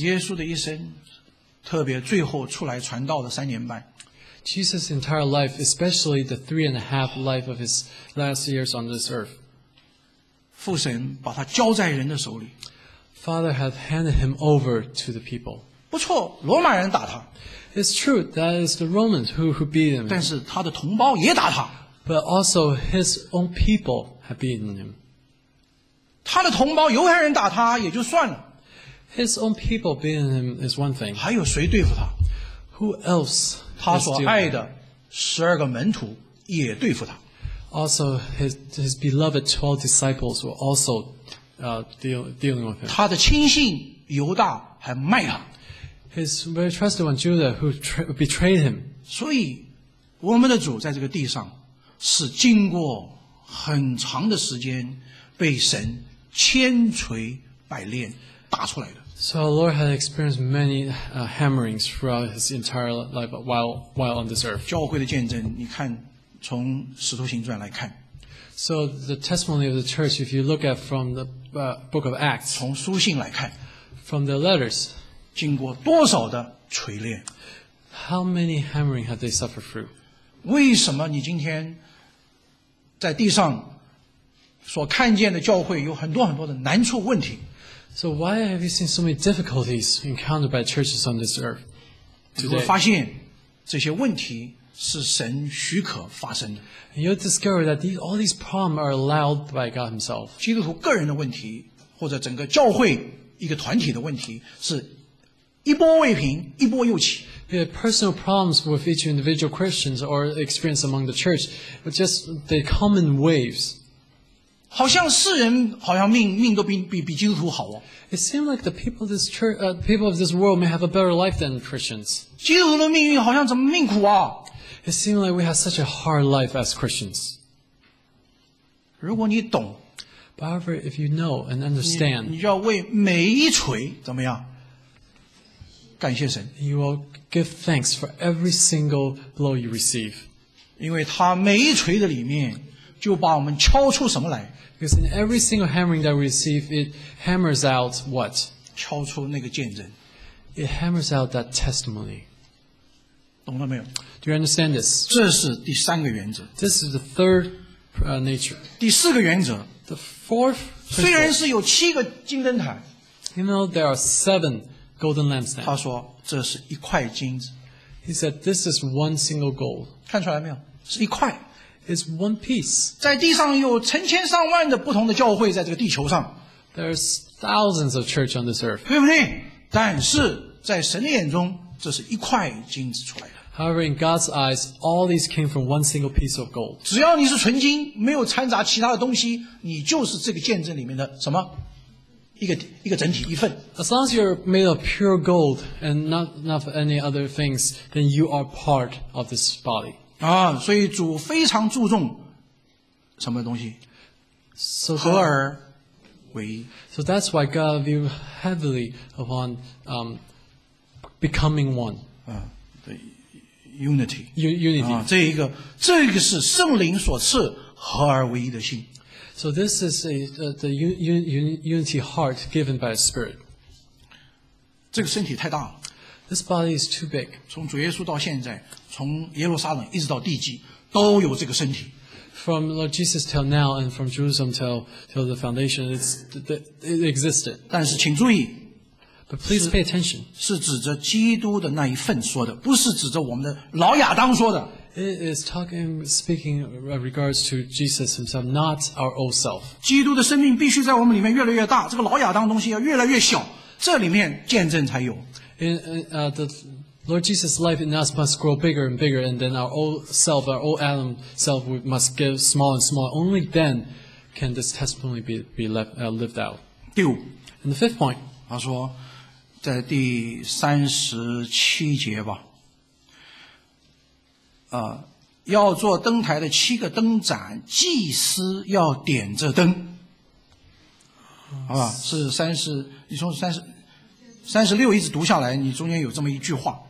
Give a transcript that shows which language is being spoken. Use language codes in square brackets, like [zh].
[zh] 耶稣的一生，特别最后出来传道的三年半。 [en] Jesus' entire life, especially the 3.5 life of his last years on this earth. [zh] 父神把他交在人的手里。 [en] Father had handed him over to the people. [zh] 不错，罗马人打他。 [en] It's true that it's the Romans who beat him. [zh] 但是他的同胞也打他。 [en] But also his own people have beaten him. [zh] 他的同胞犹太人打他也就算了。 [en] His own people beating him is one thing. [zh] 还有谁对付他？ [en] Who else? [zh] 他所爱的12个门徒也对付他。 [en] Also, his beloved 12 disciples were also dealing with him. [zh] 他的亲信犹大还卖他。 [en] His very trusted one Judah who betrayed him. [zh] 所以，我们的主在这个地上是经过很长的时间。被神千锤百炼打出来的。 [en] So our Lord had experienced many hammerings throughout his entire life while on this earth. [zh] 教会的见证，你看，从使徒行传来看。 [en] So the testimony of the church, if you look at from the book of Acts, [zh] 从书信来看， [en] from the letters, [zh] 经过多少的锤炼？ [en] How many hammering have they suffered through? [zh] 为什么你今天在地上所看见的教会有很多很多的难处问题？ [en] So why have you seen so many difficulties encountered by churches on this earth? [zh] 你会发现这些问题是神许可发生的。 [en] And you'll discover that all these problems are allowed by God himself. [zh] 基督徒个人的问题或者整个教会一个团体的问题是一波未平一波又起。 [en] Yeah, personal problems with each individual Christians or experience among the church, but just they come in waves. [zh] 好像世人好像命都比基督徒好哦。 [en] It seems like the people of this church, people of this world may have a better life than Christians. [zh] 基督徒的命运好像怎么命苦啊？ [en] It seems like we have such a hard life as Christians. [zh] 如果你懂 [en] ，However, if you know and understand, [zh] 你要为每一锤怎么样？感谢神。 [en] You will give thanks for every single blow you receive. [zh] 因为他每一锤的里面就把我们敲出什么来 [en] ？Because in every single hammering that we receive, it hammers out what? [zh] 敲出那个见证。 [en] It hammers out that testimony. [zh] 懂了没有 [en] ？Do you understand this? [zh] 这是第三个原则。 [en] This is the third nature. [zh] 第四个原则。 [en] The fourth. [zh] 虽然是有七个金灯台。 [en] You know there are seven golden lampstands. [zh] 他说这是一块金子。 [en] He said this is one single gold. [zh] 看出来没有？是一块。 [en] It's one piece. [zh] 在地上有成千上万的不同的教会在这个地球上。 [en] There's thousands of churches on this earth. [zh] 对不对？但是在神的眼中。这是一块金子出来的。 [en] However, in God's eyes, all these came from one single piece of gold. [zh] 只要你是纯金，没有掺杂其他的东西，你就是这个见证里面的什么？一个整体，一份。 [en] As long as you're made of pure gold and not for any other things, then you are part of this body. [zh] 啊，所以主非常注重什么东西？ [en] So、 [zh] 合而为一。 [en] So that's why God view heavily upon becoming one. [zh] 对 unity. [en] Unity. [zh] 这个是圣灵所赐合而为一的心。 [en] So this is the unity heart given by the Spirit. [zh] 这个身体太大了。 [en] This body is too big. [zh] 从主耶稣到现在，从耶路撒冷一直到地基，都有这个身体。 [en] From Lord Jesus till now, and from Jerusalem till the foundation, it existed. [zh] 但是请注意。 [en] But please pay attention. [zh] 是指着基督的那一份说的，不是指着我们的老亚当说的。 [en] It is speaking regards to Jesus himself, not our old self. [zh] 基督的生命必须在我们里面越来越大，这个老亚当东西要越来越小，这里面见证才有。 [en] The Lord Jesus' life in us must grow bigger and bigger, and then our old self, our old Adam self, we must get smaller and smaller. Only then can this testimony be left, lived out. [zh] 第五。 [en] And the fifth point. [zh] 他说。在第37节吧，要做灯台的七个灯盏，祭司要点着灯，好吧？是你从36一直读下来，你中间有这么一句话。